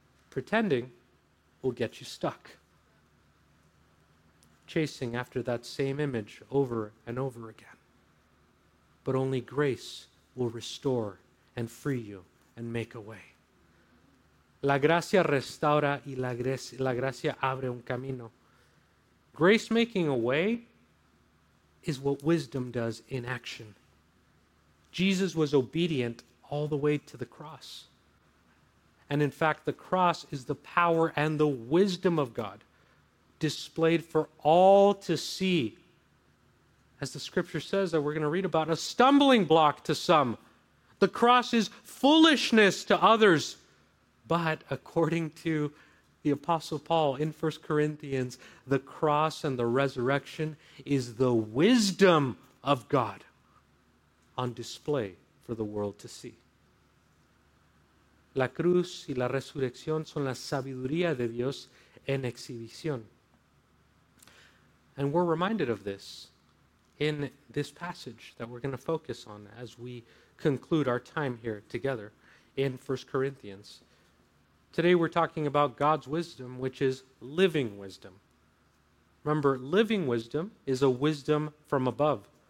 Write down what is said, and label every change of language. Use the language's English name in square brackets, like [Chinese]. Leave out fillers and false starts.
[English] Pretending will get you stuck. Chasing after that same image over and over again. But only grace will restore and free you and make a way. [Spanish] La gracia restaura y la gracia abre un camino. [English] Grace making a way is what wisdom does in action. Jesus was obedient all the way to the cross. And in fact, the cross is the power and the wisdom of God displayed for all to see. As the scripture says that we're going to read about, a stumbling block to some. The cross is foolishness to others. But according to the Apostle Paul in 1 Corinthians, the cross and the resurrection is the wisdom of God on display for the world to see. [Spanish] La cruz y la resurrección son la sabiduría de Dios en exhibición. [English] And we're reminded of this in this passage that we're going to focus on as we conclude our time here together in 1 Corinthians. Today we're talking about God's wisdom, which is living wisdom. Remember, living wisdom is a wisdom from above.